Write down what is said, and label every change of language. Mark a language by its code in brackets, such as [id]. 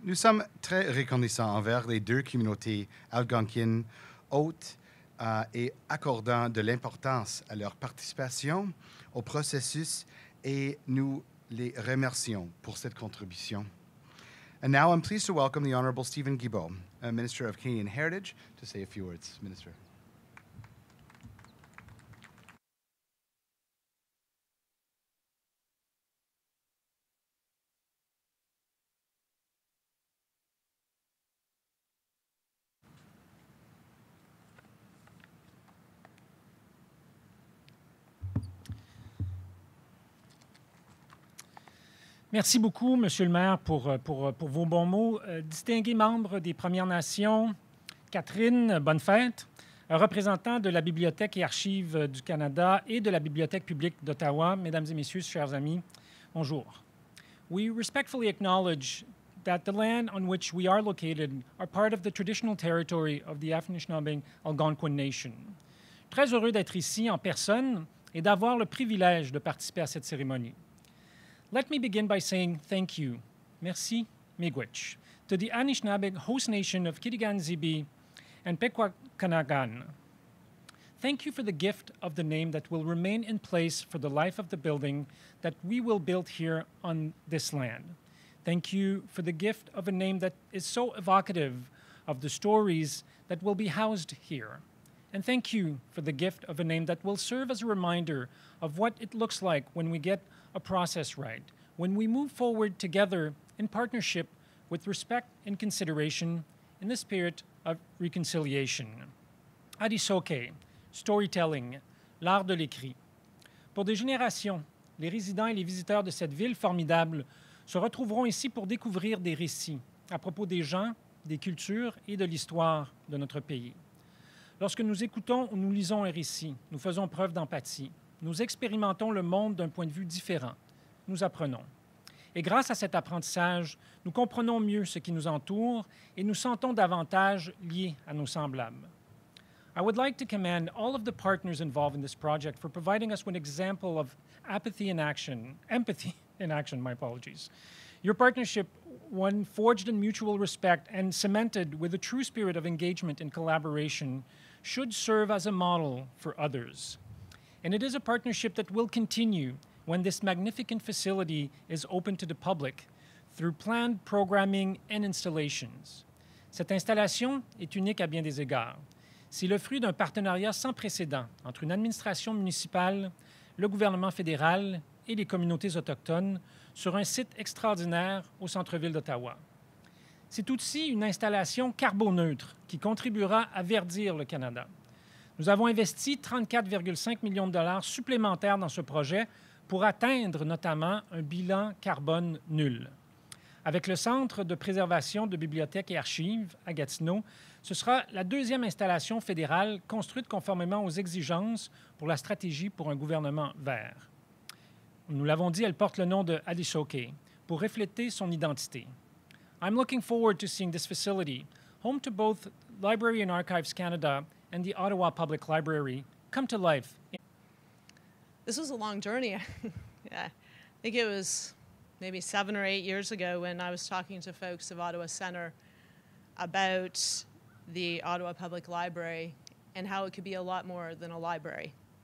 [fr] Nous sommes très reconnaissants envers les deux communautés algonquines hautes et accordant de l'importance à leur participation au processus et nous les remercions pour cette contribution. [en] And now I'm pleased to welcome the Honourable Steven Guilbeault, Minister of Canadian Heritage, to say a few words, Minister. [fr] Merci beaucoup, Monsieur le maire, pour vos bons mots. Distingués membres des Premières Nations, Catherine, bonne fête, représentant de la Bibliothèque et Archives du Canada et de la Bibliothèque publique d'Ottawa, mesdames et messieurs, chers amis, bonjour. [en] We respectfully acknowledge that the land on which we are located are part of the traditional territory of the Anishinaabe Algonquin Nation. [fr] Très heureux d'être ici en personne et d'avoir le privilège de participer à cette cérémonie. [en] Let me begin by saying thank you, merci, miigwech, to the Anishinaabeg host nation of Kitigan Zibi and Pikwakanagan. Thank you for the gift of the name that will remain in place for the life of the building that we will build here on this land. Thank you for the gift of a name that is so evocative of the stories that will be housed here. And thank you for the gift of a name that will serve as a reminder of what it looks like when we get a process right, when we move forward together in partnership with respect and consideration in the spirit of reconciliation. [fr] Ādisōke, storytelling, l'art de l'écrit. Pour des générations, les résidents et les visiteurs de cette ville formidable se retrouveront ici pour découvrir des récits à propos des gens, des cultures et de l'histoire de notre pays. Lorsque nous écoutons ou nous lisons un récit, nous faisons preuve d'empathie. Nous expérimentons le monde d'un point de vue différent. Nous apprenons. Et grâce à cet apprentissage, nous comprenons mieux ce qui nous entoure et nous sentons davantage liés à nos semblables. [en] I would like to commend all of the partners involved in this project for providing us with an example of empathy in action, my apologies. Your partnership, one forged in mutual respect and cemented with a true spirit of engagement and collaboration, should serve as a model for others. And it is a partnership that will continue when this magnificent facility is open to the public through planned programming and installations. [fr] Cette installation est unique à bien des égards. C'est le fruit d'un partenariat sans précédent entre une administration municipale, le gouvernement fédéral et les communautés autochtones sur un site extraordinaire au centre-ville d'Ottawa. C'est aussi une installation carboneutre qui contribuera à verdir le Canada. Nous avons investi 34,5 millions de dollars supplémentaires dans ce projet pour atteindre notamment un bilan carbone nul. Avec le Centre de préservation de bibliothèques et archives à Gatineau, ce sera la deuxième installation fédérale construite conformément aux exigences pour la stratégie pour un gouvernement vert. Nous l'avons dit, elle porte le nom de Ādisōke pour refléter son identité. [en] I'm looking forward to seeing this facility, home to both Library and Archives Canada and the Ottawa Public Library, come to life. This was a long journey. Yeah, I think it was maybe 7 or 8 years ago when I was talking to folks of Ottawa Centre about the Ottawa Public Library and how it could be a lot more than a library.